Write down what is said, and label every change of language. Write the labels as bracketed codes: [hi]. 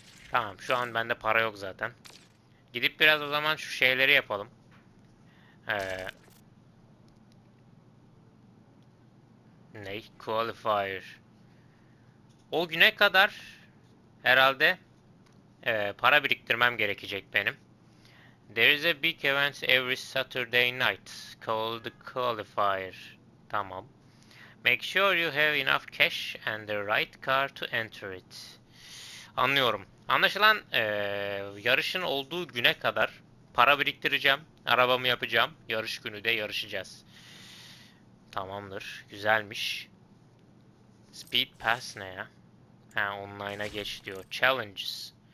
[tr] Tamam, şu an bende para yok zaten. Gidip biraz o zaman şu şeyleri yapalım. Ne? Qualifier. O güne kadar herhalde para biriktirmem gerekecek benim. [en] There is a big event every Saturday night called the Qualifier. Tamam. Make sure you have enough cash and the right car to enter it. [tr] Anlıyorum. Anlaşılan yarışın olduğu güne kadar para biriktireceğim. Arabamı yapacağım. Yarış günü de yarışacağız. Tamamdır. Güzelmiş. Speed Pass ne ya? Ha, online'a geç diyor. Challenges.